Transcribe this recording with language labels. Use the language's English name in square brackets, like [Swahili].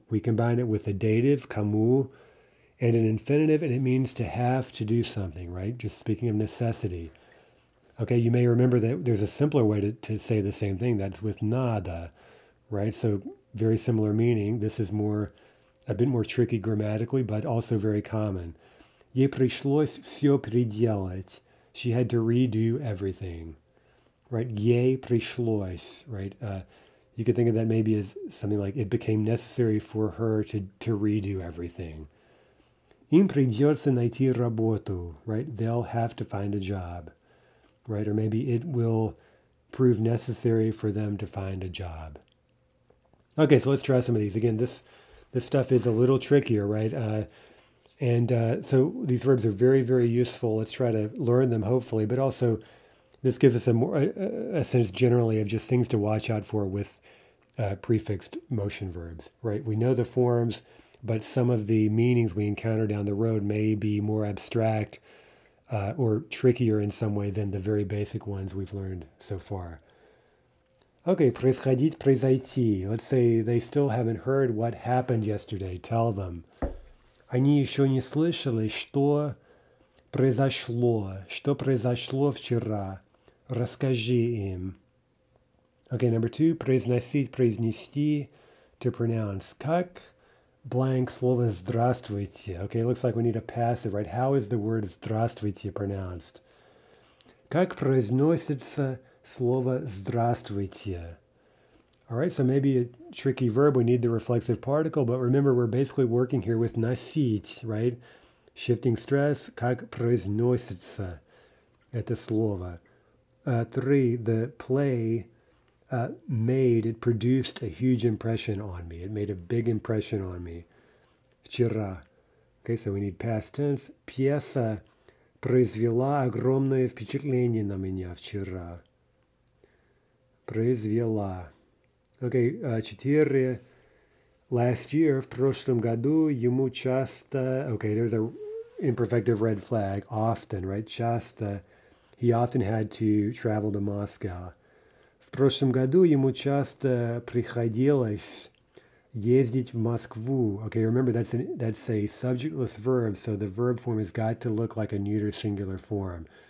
[English] We combine it with a dative, кому, and an infinitive, and it means to have to do something, right? Just speaking of necessity. Okay, you may remember that there's a simpler way to say the same thing, that's with nada, right? So very similar meaning. This is more, a bit more tricky grammatically, but also very common. [Russian] Ей пришлось все переделать. [English] She had to redo everything, right? [Russian] Ей пришлось, [English] right? You could think of that maybe as something like it became necessary for her to redo everything. [Russian] Им придется найти работу, right? [English] They'll have to find a job, right? Or maybe it will prove necessary for them to find a job. Okay, so let's try some of these. Again, this stuff is a little trickier, right? So these verbs are very, very useful. Let's try to learn them, hopefully. But also, this gives us a sense generally of just things to watch out for with prefixed motion verbs, right? We know the forms, but some of the meanings we encounter down the road may be more abstract or trickier in some way than the very basic ones we've learned so far. [Russian] Okay, происходить, произойти. [English] Let's say they still haven't heard what happened yesterday. Tell them. [Russian] Они еще не слышали, что произошло вчера. Расскажи им. [English] Okay, number two, произносить, произнести, to pronounce. [Russian] Как blank слово здравствуйте. [English] Okay, it looks like we need a passive, right? How is the word здравствуйте pronounced? [Russian] Как произносится слово здравствуйте. [English] All right, so maybe a tricky verb. We need the reflexive particle, but remember, we're basically working here with носить, right? Shifting stress, [Russian] как произносится это слово. [English] Three, the play it produced a huge impression on me. It made a big impression on me. Вчера. Okay, so we need past tense. [Russian] Пьеса произвела огромное впечатление на меня вчера. Произвела. Okay, четыре. [English] Last year, [Russian] в прошлом году, ему часто... [English] Okay, there's an imperfective red flag. Often, right? Часто. He often had to travel to Moscow. [Russian] В прошлом году ему часто приходилось ездить в Москву. [English] Okay, remember, that's a subjectless verb, so the verb form has got to look like a neuter singular form.